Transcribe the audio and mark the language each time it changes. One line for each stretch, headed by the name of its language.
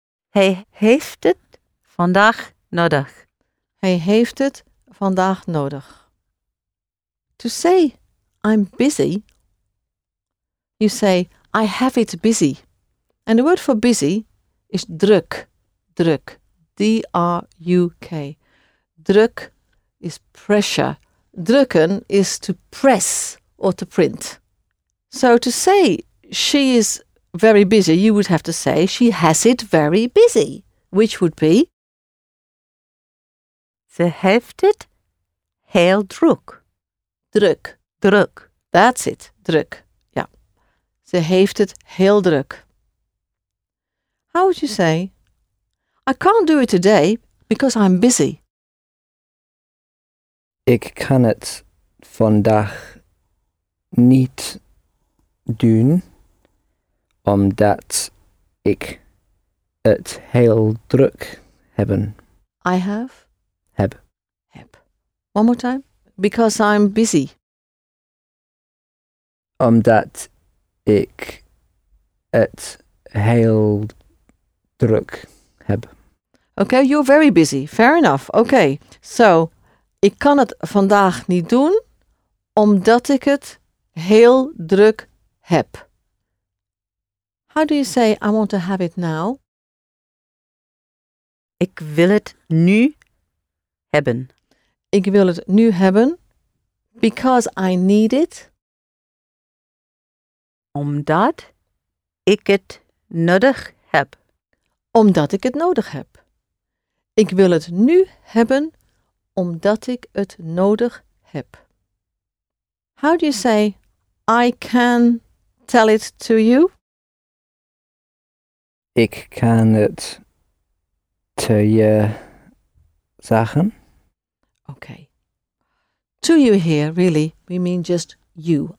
Dutch: He heeft het vandaag nodig. He heeft het vandaag nodig.
English: To say I'm busy, you say I have it busy. And the word for busy is druk. Druk. D-R-U-K. Druk is pressure. Drukken is to press or to print. So to say she is very busy, you would have to say she has it very busy, which would be?
Dutch: Ze heeft het heel druk. Druk. Druk.
English: That's it.
Dutch: Druk. Yeah. Ze heeft het heel druk.
English: How would you say, I can't do it today because I'm busy?
Dutch: Ik kan het vandaag niet doen, omdat ik het heel druk heb.
English: I have?
Dutch: Heb.
English: Heb. One more time. Because I'm busy.
Dutch: Omdat ik het heel druk heb.
English: Okay, you're very busy. Fair enough. Okay, so...
Dutch: Ik kan het vandaag niet doen, omdat ik het heel druk heb.
English: How do you say I want to have it now?
Dutch: Ik wil het nu hebben. Ik wil het nu hebben,
English: because I need it.
Dutch: Omdat ik het nodig heb. Omdat ik het nodig heb. Ik wil het nu hebben, omdat ik het nodig heb.
English: How do you say, I can tell it to you?
Dutch: Ik kan het te je zeggen.
English: Okay. To you here, really, we mean just you.